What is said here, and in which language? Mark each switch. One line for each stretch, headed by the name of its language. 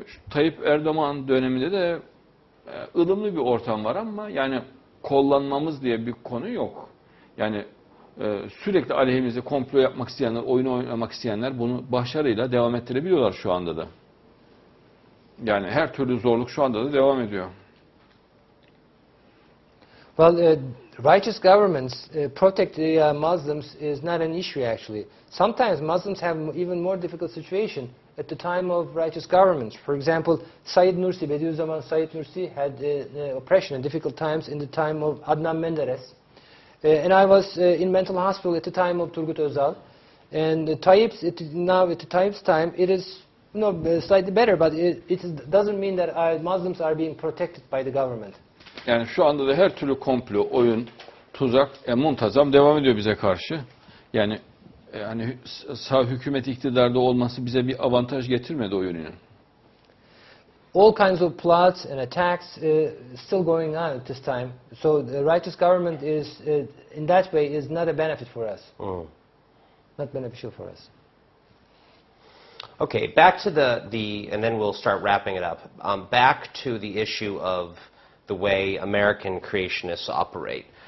Turkish: Tayyip Erdoğan döneminde de ılımlı bir ortam var ama yani kollanmamız diye bir konu yok. Yani sürekli aleyhimize komplo yapmak isteyenler, oyun oynamak isteyenler bunu başarıyla devam ettirebiliyorlar şu anda da. Yani her türlü zorluk şu anda da devam ediyor.
English: Well, righteous governments protect the Muslims is not an issue, actually. Sometimes Muslims have even more difficult situation at the time of righteous governments. For example, Said Nursi, Bediüzzaman Said Nursi, had oppression and difficult times in the time of Adnan Menderes. And I was in mental hospital at the time of Turgut Özal. And Tayyip's, now at Tayyip's time, it is No, slightly better, but it doesn't mean that Muslims are being protected by the government.
Turkish: Yani şu anda da her türlü komplo, oyun, tuzak, muntazam devam ediyor bize karşı. Yani yani sağ hükümet iktidarda olması bize bir avantaj getirmedi o yönünün.
English: All kinds of plots and attacks still going on at this time. So the righteous government is in that way is not a benefit for us. Oh. Not beneficial for us. Okay, back to the and then we'll start wrapping it up. Back to the issue of the way American creationists operate.